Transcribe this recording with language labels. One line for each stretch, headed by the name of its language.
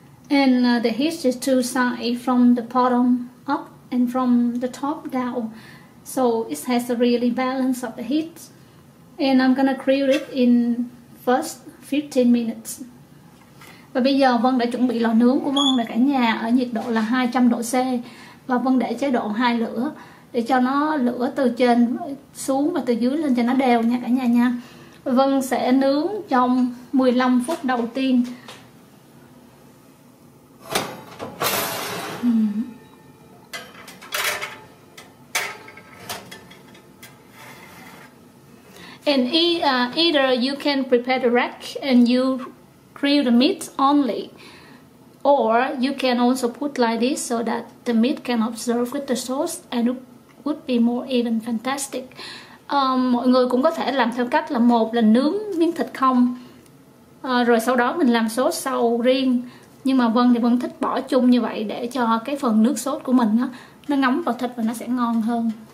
English: And the heat is too high from the bottom up and from the top down. So it has a really balance of the heat. And I'm gonna grill it in first 15 minutes.
Vietnamese: Và bây giờ Vân đã chuẩn bị lò nướng của Vân là cả nhà ở nhiệt độ là 200 độ C. Và Vân để chế độ hai lửa để cho nó lửa từ trên xuống và từ dưới lên cho nó đều nha cả nhà nha. Vân sẽ nướng trong 15 phút đầu tiên.
English: And either you can prepare the rack and you grill the meat only, or you can also put like this so that the meat can absorb with the sauce and it would be more even fantastic.
Vietnamese: Mọi người cũng có thể làm theo cách là một là nướng miếng thịt không, rồi sau đó mình làm sốt sau riêng. Nhưng mà Vân thì Vân thích bỏ chung như vậy để cho cái phần nước sốt của mình nó ngấm vào thịt và nó sẽ ngon hơn.